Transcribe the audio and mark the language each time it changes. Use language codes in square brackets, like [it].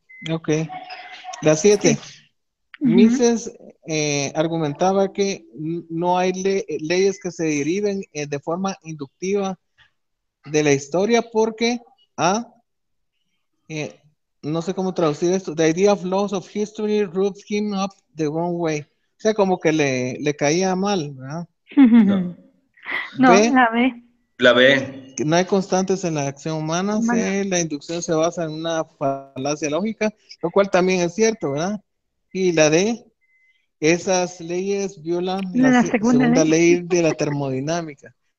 [es] Ok. La 7. Sí. Mises argumentaba que no hay leyes que se deriven de forma inductiva de la historia porque no sé cómo traducir esto. [en] The idea of laws of history rubbed him up the wrong way. [es] O sea, como que le caía mal, ¿verdad? No, la B. No hay constantes en la acción humana. C, la inducción se basa en una falacia lógica, lo cual también es cierto, ¿verdad? Y la D, esas leyes violan la segunda ley de la termodinámica.